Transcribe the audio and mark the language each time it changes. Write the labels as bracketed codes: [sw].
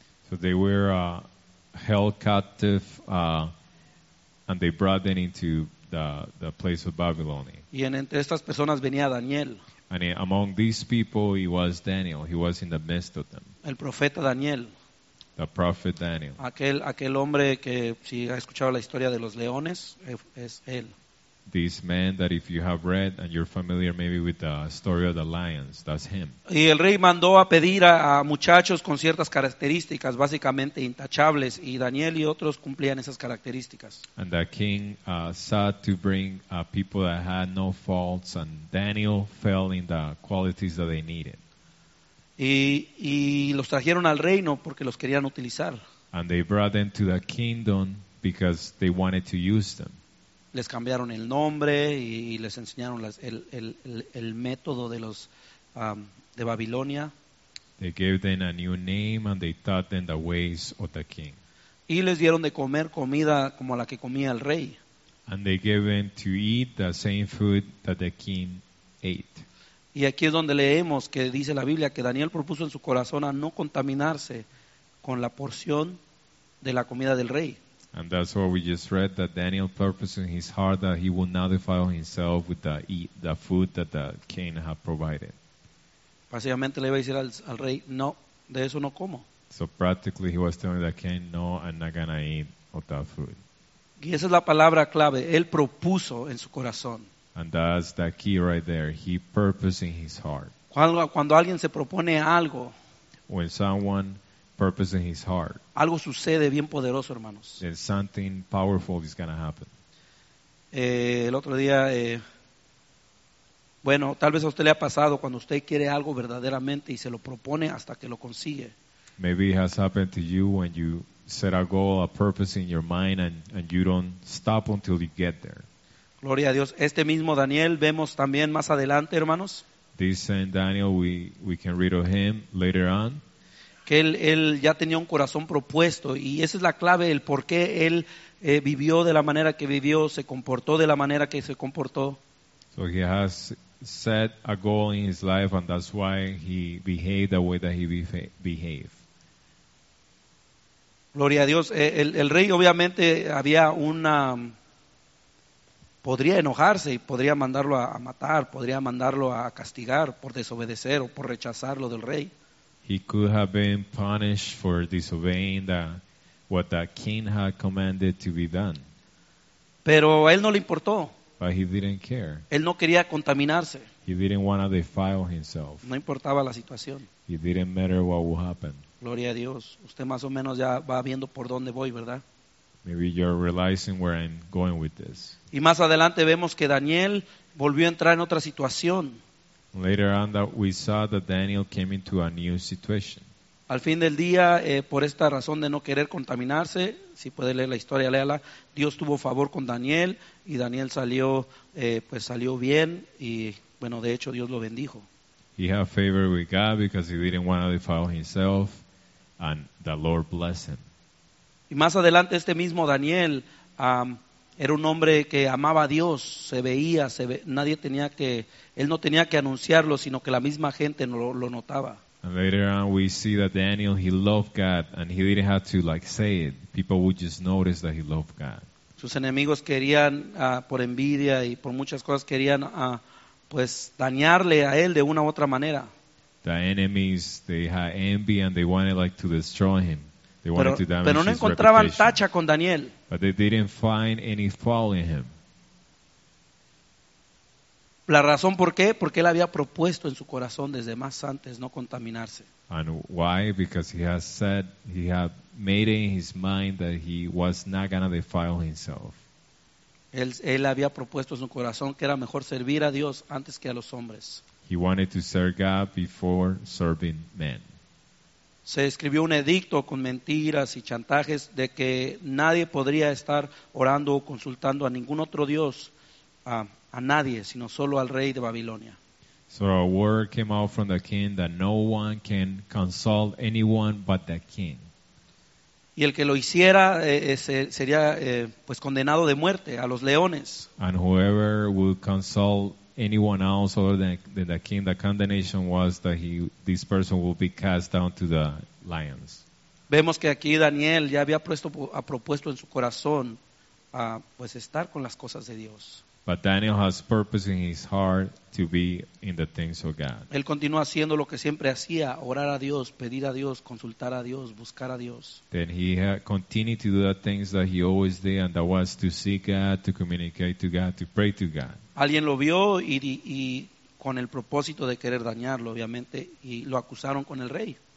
[en] So they were held captive and they brought them into the place of Babylonia. [es] Y entre estas personas venía Daniel. [en] And among these people, he was Daniel. He was in the midst of them. [es] El profeta Daniel. [en] The prophet Daniel. [es] Aquel hombre que, si ha escuchado la historia de los leones, es él. [en] This man that if you have read and you're familiar maybe with the story of the lions, that's him. [es] Y el rey mandó a pedir a muchachos con ciertas características, básicamente intachables, y Daniel y otros cumplían esas características. [en] And the king sought to bring people that had no faults, and Daniel fell in the qualities that they needed. [es] Y los trajeron al reino porque los querían utilizar. [en] And they brought them to the kingdom because they wanted to use them. [es] Les cambiaron el nombre y les enseñaron el método de los de Babilonia. [en] They gave them a new name and they taught them the ways of the king. [es] Y les dieron de comer comida como la que comía el rey. [en] And they gave them to eat the same food that the king ate. [es] Y aquí es donde leemos que dice la Biblia que Daniel propuso en su corazón a no contaminarse con la porción de la comida del rey. [en] And that's what we just read, that Daniel purposed in his heart that he would not defile himself with the food that the king had provided. [es] Básicamente le iba a decir al rey, no, de eso no como. [en] So practically he was telling the king, no, I'm not going to eat of that food. [es] Y esa es la palabra clave, él propuso en su corazón. [en] And that's the key right there, he purposed in his heart. [es] Cuando alguien se propone algo. [en] When someone purpose in his heart. [es] Algo sucede bien poderoso, hermanos. [en] Then something powerful is going to happen. [es] El otro día, bueno, tal vez a usted le ha pasado cuando usted quiere algo verdaderamente y se lo propone hasta que lo consigue. [en] Maybe it has happened to you when you set a goal, a purpose in your mind and you don't stop until you get there. [es] Gloria a Dios. Este mismo Daniel vemos también más adelante, hermanos. [en] This same Daniel, we can read of him later on. [es] que él ya tenía un corazón propuesto, y esa es la clave, el por qué él vivió de la manera que vivió, se comportó de la manera que se comportó. [en] So he has set a goal in his life, and that's why he behaved the way that he behaved. [es] Gloria a Dios. El rey obviamente había una... podría enojarse y podría mandarlo a matar, podría mandarlo a castigar por desobedecer o por rechazarlo del rey. [en] He could have been punished for disobeying what the king had commanded to be done. [es] Pero a él no le importó. [en] But he didn't care. [es] Él no quería contaminarse. [en] He didn't want to defile himself. [es] No importaba la situación. [en] It didn't matter what would happen. [es] Gloria a Dios. Usted más o menos ya va viendo por dónde voy, ¿verdad? [en] Maybe you're realizing where I'm going with this. [es] Y más adelante vemos que Daniel volvió a entrar en otra situación. [en] Later on that we saw that Daniel came into a new situation. [es] Al fin del día, por esta razón de no querer contaminarse, si puede leer la historia, léala. Dios tuvo favor con Daniel y Daniel salió, pues salió bien, y bueno, de hecho Dios lo bendijo. [en] He had favor with God because he didn't want to defile himself, and the Lord blessed him. [es] Y más adelante este mismo Daniel era un hombre que amaba a Dios, él no tenía que anunciarlo, sino que la misma gente lo notaba. [en] And later on we see that Daniel, he loved God, and he didn't have to like say it. People would just notice that he loved God. [es] Sus enemigos querían, por envidia y por muchas cosas, querían pues dañarle a él de una u otra manera. [en] The enemies, they had envy and they wanted like to destroy him. They wanted [es] pero, [en] to damage [es] pero no [en] his [es] encontraban [en] reputation. [es] Tacha con Daniel. [en] But they didn't find any fault in him. [es] La razón por qué, porque él había propuesto en su corazón desde más antes no contaminarse. [en] And why? Because he has said, he had made it in his mind that he was not going to defile himself. [es] Él había propuesto en su corazón que era mejor servir a Dios antes que a los hombres. [en] He wanted to serve God before serving men. [es] Se escribió un edicto con mentiras y chantajes de que nadie podría estar orando o consultando a ningún otro Dios, a nadie, sino solo al rey de Babilonia. [en] So a word came out from the king that no one can consult anyone but the king. [es] Y el que lo hiciera sería pues condenado de muerte a los leones. [en] And whoever would consult anyone else other than the king, the condemnation was that this person will be cast down to the lions. [es] Vemos que aquí Daniel ya había propuesto en su corazón pues estar con las cosas de Dios. [en] But Daniel has purpose in his heart to be in the things of God. [es] Él continuó haciendo lo que siempre hacía, orar a Dios, pedir a Dios, consultar a Dios, buscar a Dios. [en] Then he continued to do the things that he always did, and that was to seek God, to communicate to God, to pray to God. [es] Alguien lo vio y con el propósito de querer dañarlo, obviamente, y lo acusaron con el rey.